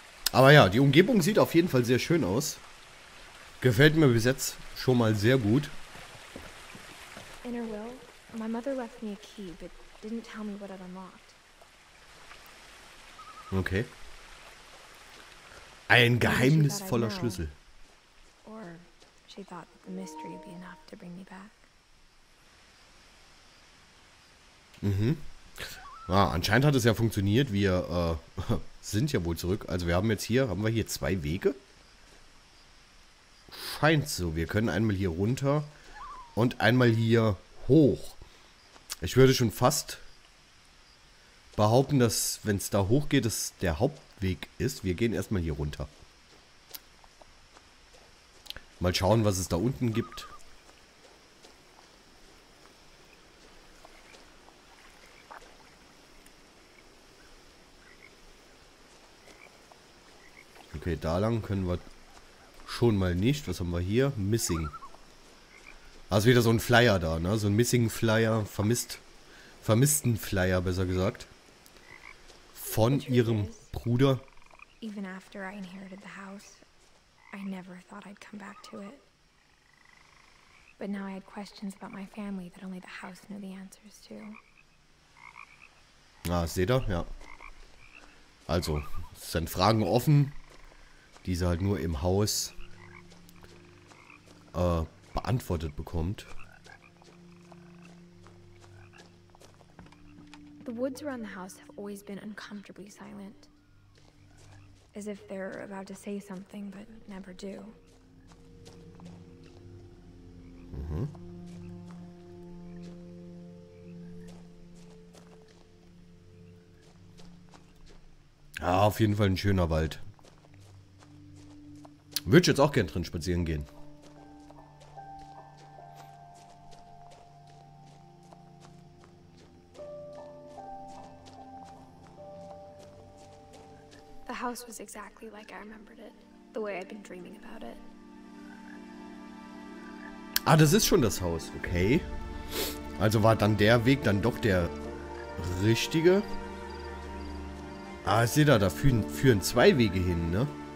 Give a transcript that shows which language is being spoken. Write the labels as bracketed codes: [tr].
[de] Aber ja, die Umgebung sieht auf jeden Fall sehr schön aus. Gefällt mir bis jetzt schon mal sehr gut. [en] Innerwill, my mother left me a key, but didn't tell me what it unlocked. Okay. [de] Ein geheimnisvoller Schlüssel. [en] Or she thought the mystery would be enough to bring me back. Mhm. [de] Ah, anscheinend hat es ja funktioniert. Wir sind ja wohl zurück. Also wir haben jetzt hier, haben wir hier 2 Wege? Scheint so. Wir können einmal hier runter und einmal hier hoch. Ich würde schon fast behaupten, dass, wenn es da hoch geht, es der Hauptweg ist. Wir gehen erstmal hier runter. Mal schauen, was es da unten gibt. Okay, da lang können wir schon mal nicht. Was haben wir hier? Missing. Also wieder so ein Flyer da, ne? So ein Missing Flyer. Vermissten Flyer, besser gesagt. Von ihrem Bruder. [en] Even after I inherited the house, I never thought I'd come back to it. But now I had questions about my family that only the house knew the answers to. [de] Ah, seht ihr? Ja. Also, es sind Fragen offen, die sie halt nur im Haus beantwortet bekommt. [en] The woods around the house have always been uncomfortably silent. As if they're about to say something, but never do. Mhm. [de] Ja, auf jeden Fall ein schöner Wald. Würde ich jetzt auch gern drin spazieren gehen. [en] House was exactly like I remembered it, the way I'd been dreaming about it. [de] Ah, das ist schon das Haus, okay. Also war dann der Weg dann doch der richtige. Ah, seht ihr, da führen 2 Wege hin, ne?